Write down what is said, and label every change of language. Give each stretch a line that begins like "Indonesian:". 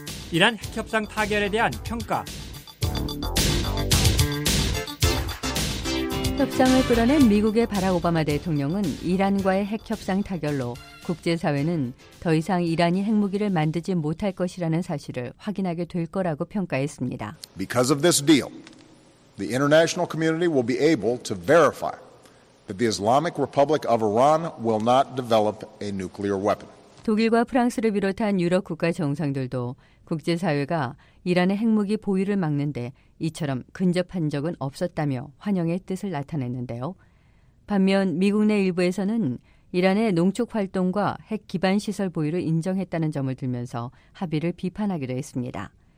Korean: 이란 핵협상 타결에 대한 평가. 협상을 끌어낸 미국의 바락 오바마 대통령은 이란과의 핵협상 타결로 국제사회는 더 이상 이란이 핵무기를 만들지 못할 것이라는 사실을 확인하게 될 거라고 평가했습니다.
English: Because of this deal, the international community will be able to verify that the Islamic Republic of Iran will not develop a nuclear weapon.
Korean: 독일과 프랑스를 비롯한 유럽 국가 정상들도 국제사회가 이란의 핵무기 보유를 막는데 이처럼 근접한 적은 없었다며 환영의 뜻을 나타냈는데요. 반면 미국 내 일부에서는 이란의 농축 활동과 핵 기반 시설 보유를 인정했다는 점을 들면서 합의를 비판하기도 했습니다.